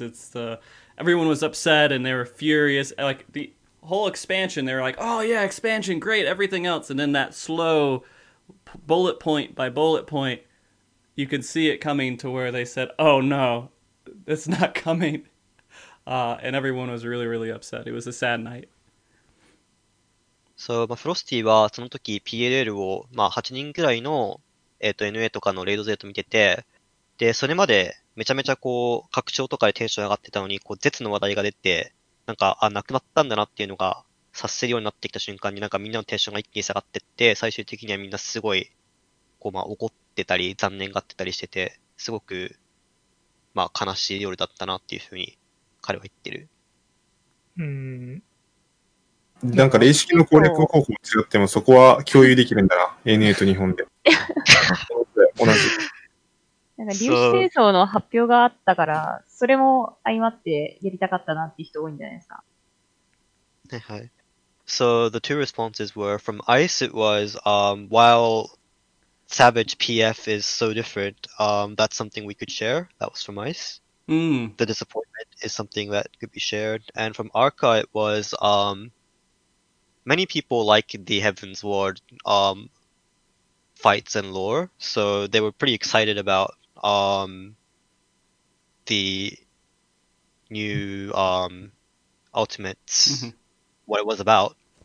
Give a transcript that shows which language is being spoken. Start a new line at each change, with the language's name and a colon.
English: It's the everyone was upset and they were furious. Like the whole expansion, they were like, "Oh yeah, expansion, great, everything else." And then that slow bullet point by bullet point, you could see it coming to where they said, "Oh no, it's not coming," and everyone was really, really upset. It was a sad night.
Japanese: So, まあ、フロスティはその時 PLL を、まあ、8人ぐらいの、NA とかのレイド勢と見てて、で、それまでめちゃめちゃこう、拡張とかでテンション上がってたのに、こう、絶の話題が出て、なんか、あ、なくなったんだなっていうのが察せるようになってきた瞬間になんかみんなのテンションが一気に下がってって、最終的にはみんなすごい、こう、まあ、怒ってたり、残念がってたりしてて、すごく、まあ、悲しい夜だったなっていうふうに、彼は言ってる。なんか、レイ式の攻略方法も違っても、そこは共有できるんだな。 NA と日本で。同じ。なんか、粒子戦争の発表があったから、それも相まってやりたかったなって人多いんじゃないですか。はいはい。
English: So, the two responses were, from ICE it was, while Savage PF is so different, that's something we could share. That was from ICE. The disappointment is something that could be shared. And from Arca it was, many people like the Heaven's Ward fights and lore, so they were pretty excited about the new ultimates, what it was about.